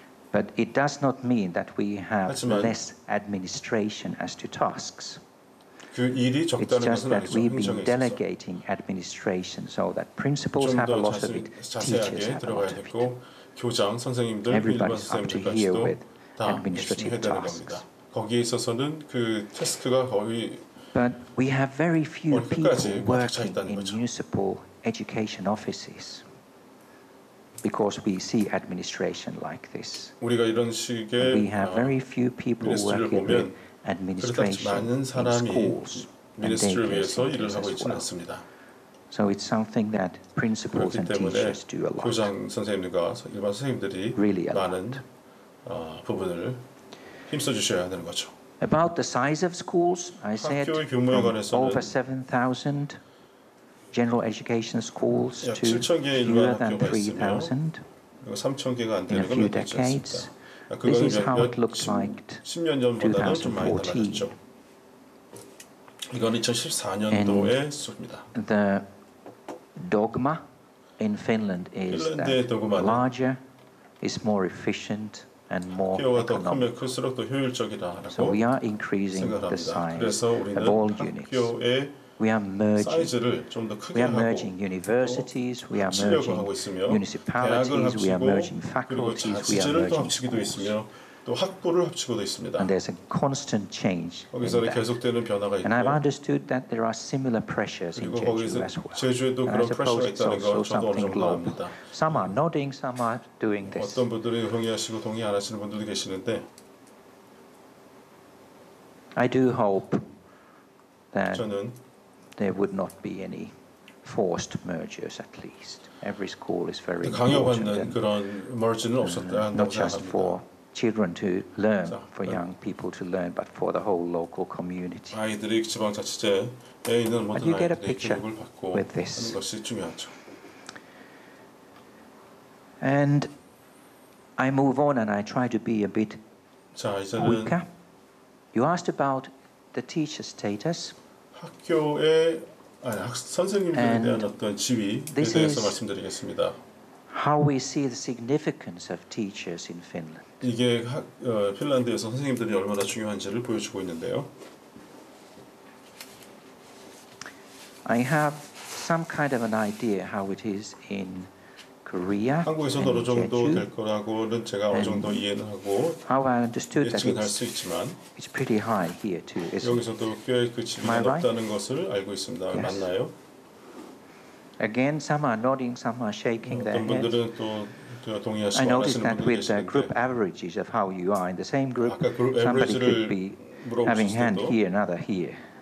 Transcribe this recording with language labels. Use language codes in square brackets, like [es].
[en] But it does not mean that we have less administration as to tasks. It's just that we've been delegating administration so that principals have a lot of it, teachers have a lot of it. Everybody's up to here with administrative tasks. [ko] 거기에 있어서는 그 태스크가 거의 [en] But we have very few people working in municipal education offices because we see administration like this. [ko] 우리가 이런 식의 [en] We have very few people working in administration. [ko] 많은 사람이 미니스트리를 위해서 일을 하고 있지 않습니다. [en] So it's something that principals and teachers do a lot. [ko] 교장 선생님과 일반 선생님들이 많은 부분을 힘써 주셔야 되는 거죠. [en] About the size of schools, I said over 7,000 general education schools to fewer than 3,000 in a few decades. This is how it looked like 2014. [ko] 이건 2014년도의 수입니다. [en] The dogma in Finland is that larger is more efficient. And more economic. So we are increasing the size of all units. We are merging universities, we are merging municipalities, we are merging faculties, we are merging schools. [ko] 또 학부를 합치고도 있습니다. [en] And there's a constant change. [ko] 거기서 계속되는 변화가 있고. [en] And I've understood that there are similar pressures in Jeju as well. [ko] 제주에도 그런 pressure가 있다는 걸 저도 어느 정도 압니다. [en] Some are nodding, some are doing this. [ko] 어떤 분들이 동의하시고 동의 안 하시는 분들도 계시는데. [en] I do hope that there would not be any forced mergers at least. Every school is very important. [ko] 강요받는 그런 merger는 없었다는 걸 [en] not just for children to learn, for young people to learn, but for the whole local community. But you get a picture with this. And I move on and I try to be a bit quicker. You asked about the teacher status. And this is how we see the significance of teachers in Finland. [ko] 이게 핀란드에서 선생님들이 얼마나 중요한지를 보여주고 있는데요. [en] I have some kind of an idea how it is in Korea. [ko] 한국에서도 어느 정도 될 거라고는 제가 어느 정도 이해는 하고 [en] How I understood that [ko] 예측은 할 수 있지만 [en] It's pretty high here too. Isn't [ko] 여기서도 꽤 그 지분이 높다는 것을 알고 있습니다. [en] Yes. [ko] 맞나요? [en] Again, some are nodding, some are shaking their heads. [ko] 어떤 분들은 또 [en] I noticed that with the group averages of how you are in the same group, somebody could be having hand here, another here.